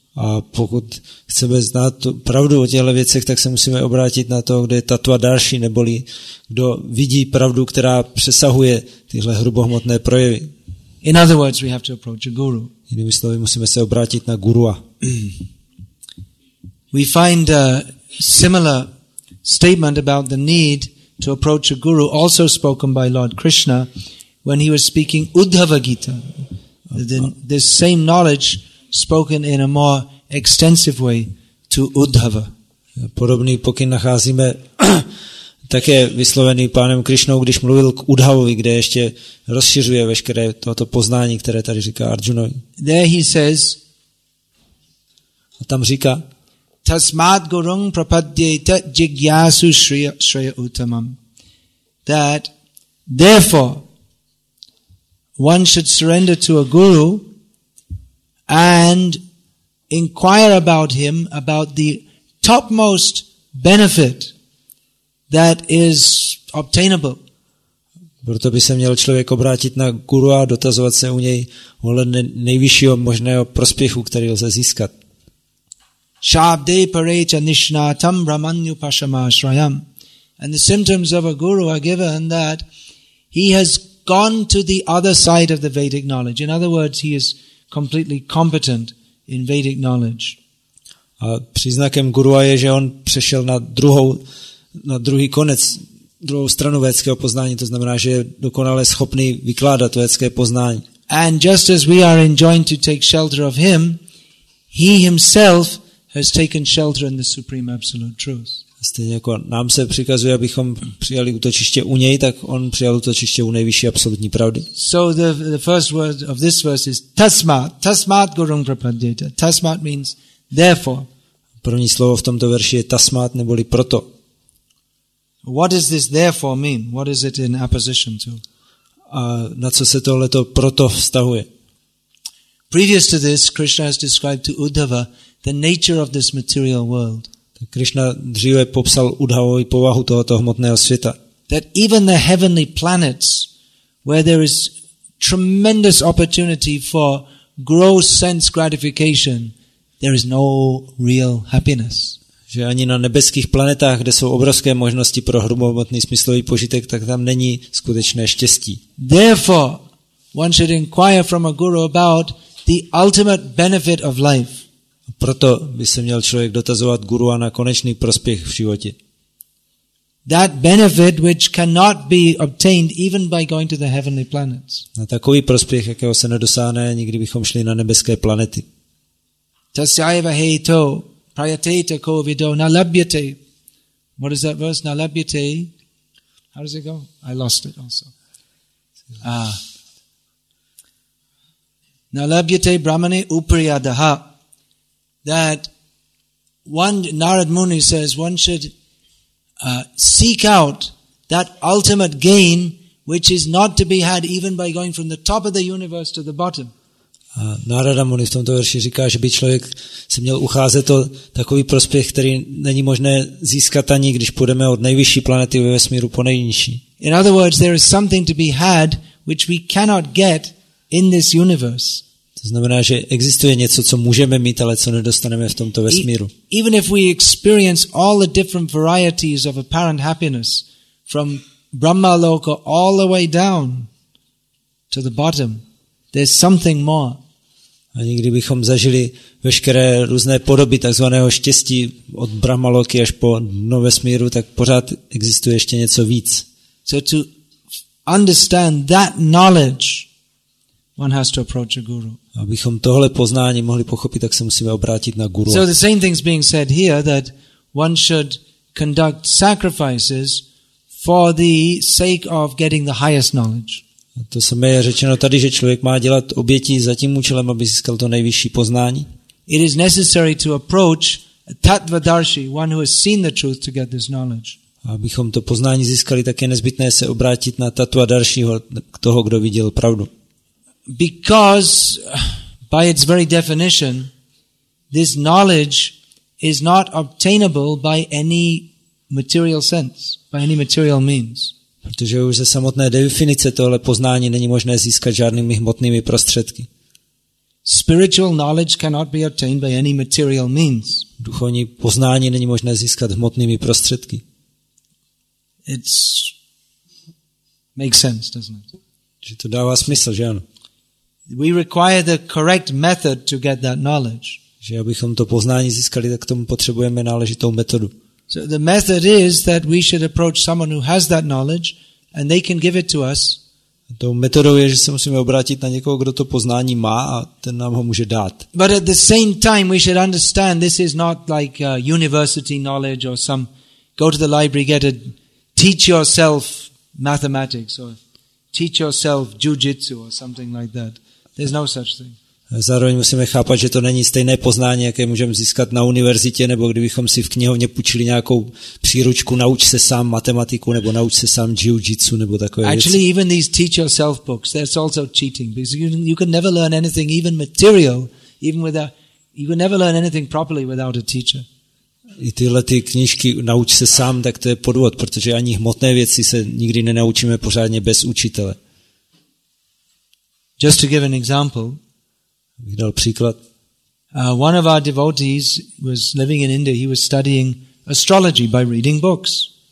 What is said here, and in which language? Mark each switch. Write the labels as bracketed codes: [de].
[cs] A pokud chceme znát tu pravdu o těchto věcech, tak se musíme obrátit na to, kde je tattva darshi, neboli kdo vidí pravdu, která přesahuje tyhle hrubohmotné projevy. [en] In other words, we have to approach a guru. [cs] Jinými slovy, musíme se obrátit na gurua. [en] We find a similar statement about the need to approach a guru also spoken by Lord Krishna when he was speaking Uddhava Gita. This same knowledge spoken in a more extensive way to Uddhava. [cs] Podobný pokyn nacházíme také vyslovený pánem Krišnou, když mluvil k Uddhavovi, kde ještě rozšiřuje veškeré toto poznání, které tady říká Arjunovi. [en] There he says, [cs] a tam říká, [sa] Tasmat gurung prapadyate jigyasu shreya uttamam. [en] That therefore one should surrender to a guru and inquire about him, about the topmost benefit that is obtainable. [cs] Proto by se měl člověk obrátit na guru a dotazovat se u něj ohledně nejvyššího možného prospěchu, který lze získat. [sa] Shabde parecha nishna tam brahmanyu pashama shrayam. [en] And the symptoms of a guru are given that he has gone to the other side of the Vedic knowledge. In other words, he is completely competent in Vedic knowledge. [cs] A příznakem gurua je, že on přešel na druhý konec, druhou stranu védského poznání, to znamená, že je dokonale schopný vykládat védské poznání. [en] And just as we are enjoined to take shelter of him, he himself has taken shelter in the supreme absolute truth. [cs] Stejně jako nám se přikazuje, abychom přijali útočiště u něj, tak on přijal útočiště u nejvyšší absolutní pravdy. [en] So the first word of this verse is [sa] tasmat gurum prapadyate. [en] Tasmat means therefore. [cs] První slovo v tomto verši je tasmat, neboli proto. [en] What does this therefore mean? What is it in opposition to? [cs] A na co se tohleto proto vztahuje? [en] Previous to this, Krishna has described to Uddhava the nature of this material world. [cs] Krishna dříve popsal Uddhavovi povahu tohoto hmotného světa. [en] That even the heavenly planets, where there is tremendous opportunity for gross sense gratification, there is no real happiness. [cs] Že ani na nebeských planetách, kde jsou obrovské možnosti pro hrubohmotný smyslový požitek, tak tam není skutečné štěstí. [en] Therefore, one should inquire from a guru about the ultimate benefit of life. [cs] Proto by se měl člověk dotazovat gurua na konečný prospěch v životě. [en] That benefit which cannot be obtained even by going to the heavenly planets. [cs] Na takový prospěch, jakého se nedosáhne, nikdy bychom šli na nebeské planety. [sa] Tasyaiva heito prayateta kovido nalabhyate. [en] What is that verse? Nalabhyate. How does it go? I lost it also. [sa] Nalabhyate brahmane upriyadaha. [en] That one, Narad Muni says, one should seek out that ultimate gain which is not to be had even by going from the top of the universe to the bottom. [cs] Narada Muni v tomto verši říká, že by člověk se měl ucházet o takový prospěch, který není možné získat ani, když půjdeme od nejvyšší planety ve vesmíru po nejnižší. [en] In other words, there is something to be had which we cannot get in this universe. [cs] To znamená, že existuje něco, co můžeme mít, ale co nedostaneme v tomto vesmíru. [en] Even if we experience all the different varieties of apparent happiness from Brahma Loka all the way down to the bottom, there's something more. [cs] A nikdy bychom zažili veškeré různé podoby takzvaného štěstí od Brahma Loky až po dno vesmíru, tak pořád existuje ještě něco víc. [en] So to understand that knowledge, one has to approach a guru. [cs] Abychom tohle poznání mohli pochopit, tak se musíme obrátit na guru. [en] So the same thing is being said here that one should conduct sacrifices for the sake of getting the highest knowledge. [cs] A to samé je řečeno tady, že člověk má dělat oběti za tím účelem, aby získal to nejvyšší poznání. [en] It is necessary to approach a tattva darshi, one who has seen the truth, to get this knowledge. [cs] Abychom to poznání získali, tak je nezbytné se obrátit na tattva daršího, k toho, kdo viděl pravdu. [en] Because by its very definition, this knowledge is not obtainable by any material sense, by any material means. [cs] Protože už ze samotné definice tohle poznání není možné získat žádnými hmotnými prostředky. [en] Spiritual knowledge cannot be obtained by any material means. [cs] Duchovní poznání není možné získat hmotnými prostředky. [en] It makes sense, doesn't it? [cs] Že to dává smysl, že ano? [en] We require the correct method to get that knowledge. [cs] Že abychom to poznání získali, tak k tomu potřebujeme náležitou metodu. [en] So the method is that we should approach someone who has that knowledge and they can give it to us. [cs] Tou metodou je, že se musíme obrátit na někoho, kdo to poznání má a ten nám ho může dát. [en] But at the same time we should understand this is not like university knowledge or some go to the library, get a teach yourself mathematics or teach yourself jiu-jitsu or something like that. There's no such thing. [cs] Zároveň musíme chápat, že to není stejné poznání, jaké můžeme získat na univerzitě, nebo kdybychom si v knihovně půjčili nějakou příručku nauč se sám matematiku, nebo nauč se sám jiu-jitsu, nebo takové věci. [en] Actually, even these teach yourself books, that's also cheating, because you can never learn anything, even material, you can never learn anything properly without a teacher. [cs] I tyhle ty knížky nauč se sám, tak to je podvod, protože ani hmotné věci se nikdy nenaučíme pořádně bez učitele. [en] Just to give an example. [cs] Dal příklad. [en] One of our devotees was living in India. He was studying astrology by reading books.